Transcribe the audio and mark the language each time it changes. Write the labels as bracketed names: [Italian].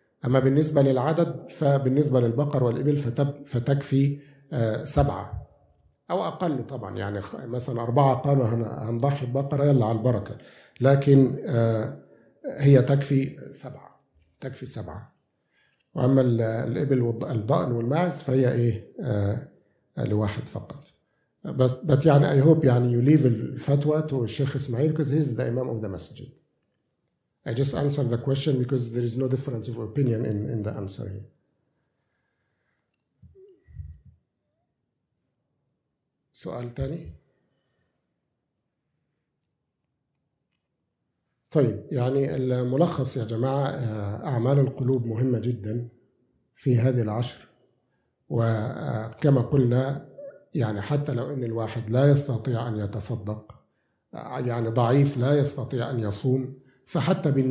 [Arabic] أما بالنسبة للعدد فبالنسبة للبقر والإبل فتكفي 7 أو أقل طبعا يعني مثلا 4 قالوا هنضحي بقرة يلا على البركة لكن هي تكفي 7 تكفي 7. وأما الإبل والضأن والماعز فهي لواحد فقط. [English] But يعني I hope يعني you leave الفتوى to الشيخ إسماعيل because he's the imam of the masjid. I just answered the question because there is no difference of opinion in the answer here. [Arabic] سؤال تاني؟ طيب يعني الملخص يا جماعة أعمال القلوب مهمة جدا في هذه العشر وكما قلنا يعني حتى لو أن الواحد لا يستطيع أن يتصدق يعني ضعيف لا يستطيع أن يصوم فحتى